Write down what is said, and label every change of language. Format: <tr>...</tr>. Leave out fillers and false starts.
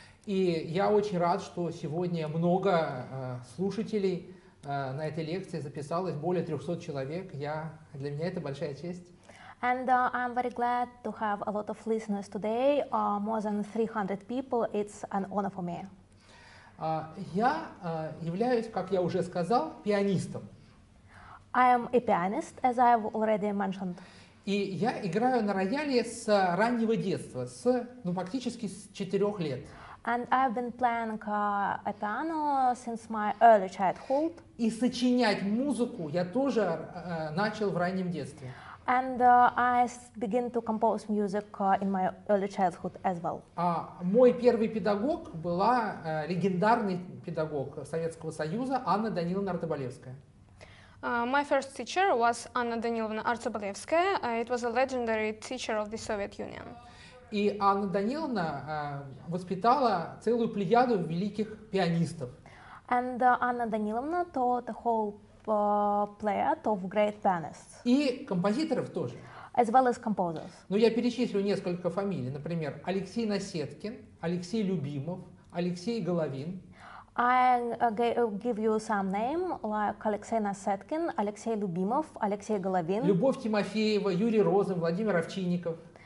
<ru>И я очень рад, что сегодня много слушателей на этой лекции записалось, более 300 человек. Для меня это большая честь.</ru> <en>And I'm very glad to have a lot of listeners today, more than 300 people. It's an honor for me.</en> <ru>Я являюсь, как я уже сказал, пианистом.</ru> <en>I am a pianist, as I've already mentioned.</en> <ru>И я играю на рояле с раннего детства, фактически с 4 лет.</ru> <en>And I've been playing a piano since my early childhood.</en> <ru>И сочинять музыку я тоже начал в раннем детстве.</ru> <en>And I begin to compose music in my early childhood as well.</en> <ru>Мой первый педагог была легендарный педагог Советского Союза Анна Даниловна Артобалевская.</ru> <en>My first teacher was Anna Danilovna Artsobolevskaya. It was a legendary teacher of the Soviet Union.</en> <ru>И Анна Даниловна воспитала целую плеяду великих пианистов.</ru> <en>And Anna Danilovna taught a whole player of great pianists.</en> <ru>И композиторов тоже.</ru> <en>As well as composers.</en> <ru>Ну, я перечислю несколько фамилий. Например, Алексей Насеткин, Алексей Любимов, Алексей Головин.</ru> <en>I give you some name, like Алексей Насеткин, Алексей Любимов, Алексей Головин.</en> <ru>Любовь Тимофеева, Юрий Розен, Владимир Овчинников.</ru>